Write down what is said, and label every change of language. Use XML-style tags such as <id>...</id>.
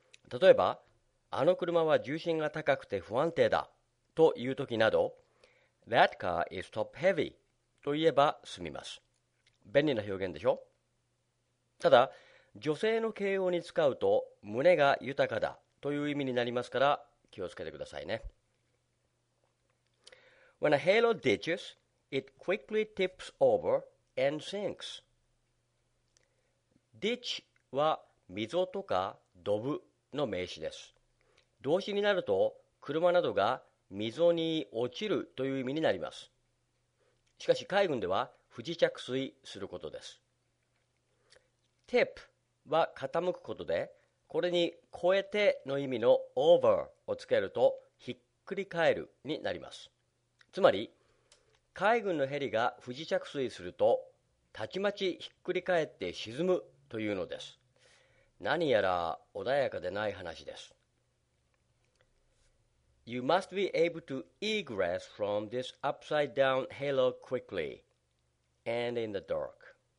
<ja>例えばあの車は重心が高くて不安定だという時など、</ja> <en>That car is top heavy</en> <ja>と言えば済みます。便利な表現でしょ。ただ女性の形容に使うと胸が豊かだという意味になりますから気をつけてくださいね。</ja> <en>When a halo ditches, it quickly tips over and sinks.</en> <ja>Ditch は溝とかドブの名詞です。動詞になると車などが溝に落ちるという意味になります。しかし海軍では不時着水することです。Tip は傾くことで、これに超えての意味の over をつけるとひっくり返るになります。つまり海軍のヘリが不時着水するとたちまちひっくり返って沈むというのです。何やら穏やかでない話です。</ja> <en>You must be able to egress from this upside down halo quickly and in the dark.</en>